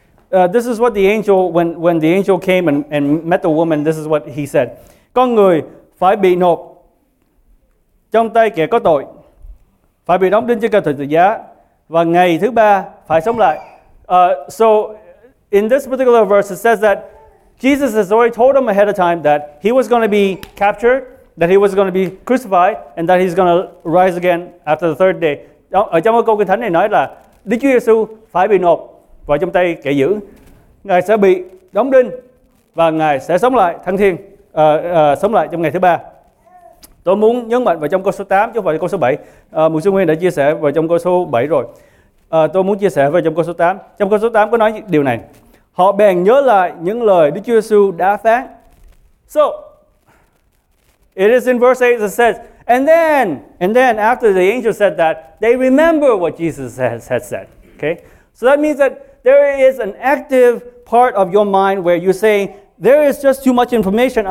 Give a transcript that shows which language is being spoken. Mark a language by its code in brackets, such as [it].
[en] This is what the angel, when the angel came and met the woman, this is what he said. [vi] Con người phải bị nộp trong tay kẻ có tội, phải bị đóng đinh trên cây thập tự giá, và ngày thứ ba phải sống lại. [en] So in this particular verse, it says that Jesus has already told them ahead of time that he was going to be captured, that he was going to be crucified, and that he's going to rise again after the third day. [vi] Ở trong câu kinh thánh này nói là Đức Chúa Giêsu phải bị nộp vào trong tay kẻ dữ, ngài sẽ bị đóng đinh và ngài sẽ sống lại thăng thiên, sống lại trong ngày thứ ba. Tôi muốn nhấn mạnh vào trong câu số 8 chứ không phải câu số 7. Mục sư Nguyên đã chia sẻ vào trong câu số 7 rồi. Tôi muốn chia sẻ vào trong câu số 8. Trong câu số 8 có nói điều này. Họ bèn nhớ lại những lời Đức Chúa Giêsu đã phán. [en] So, it is in verse 8 that says, and then after the angel said that, they remember what Jesus had said. Okay? So that means that there is an active part of your mind where you say, there is just too much information.